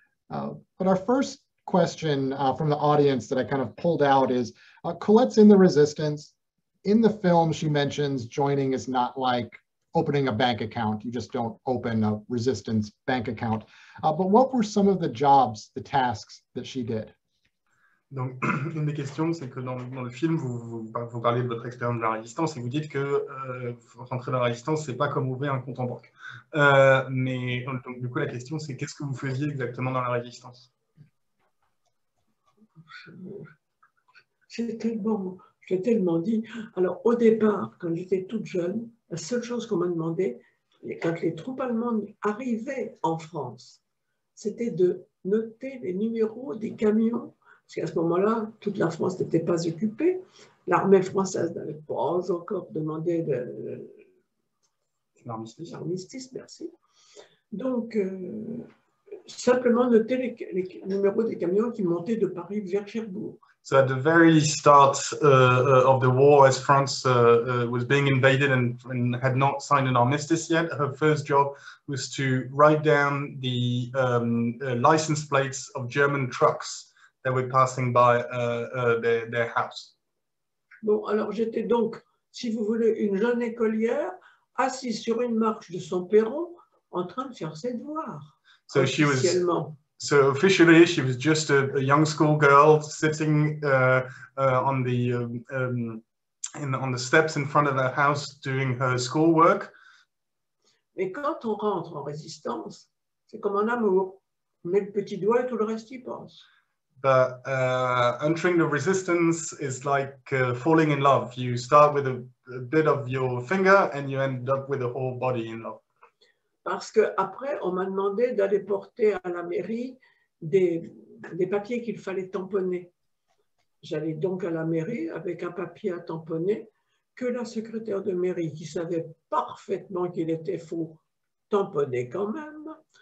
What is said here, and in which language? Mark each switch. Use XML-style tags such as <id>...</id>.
<en>But our first question from the audience that I kind of pulled out is, Colette's in the resistance. In the film, she mentions joining is not like opening a bank account. You just don't open a resistance bank account. But what were some of the jobs, the tasks that she did?</en> <fr>Donc, une des questions, c'est que dans le film, vous parlez de votre expérience de la résistance et vous dites que rentrer dans la résistance, c'est pas comme ouvrir un compte en banque. Mais donc, du coup, la question, c'est qu'est-ce que vous faisiez exactement dans la résistance? J'ai tellement dit. Alors, au départ, quand j'étais toute jeune, la seule chose qu'on m'a demandé, quand les troupes allemandes arrivaient en France, c'était de noter les numéros des camions. Parce qu'à ce moment-là, toute la France n'était pas occupée. L'armée française n'avait pas encore demandé l'armistice, merci. Donc, simplement noter les numéros des camions qui montaient de Paris vers Cherbourg.</fr> <en>So at the very start of the war, as France was being invaded and had not signed an armistice yet, her first job was to write down the license plates of German trucks that were passing by their house.</en> <fr>Bon, alors j'étais donc, si vous voulez, une jeune écolière assise sur une marche de son perron en train de faire ses devoirs.</fr> <en>So she was. So officially, she was just a young schoolgirl sitting on the on the steps in front of her house doing her schoolwork.</en> <fr>Mais quand on rentre en résistance, c'est comme en amour, on met le petit doigt et tout le reste y pense.</fr> <en>But entering the resistance is like falling in love. You start with a bit of your finger and you end up with a whole body in love.</en> <fr>Parce que après, on m'a demandé d'aller porter à la mairie des papiers qu'il fallait tamponner. J'allais donc à la mairie avec un papier à tamponner que la secrétaire de mairie, qui savait parfaitement qu'il était faux, tamponnait quand même.</fr>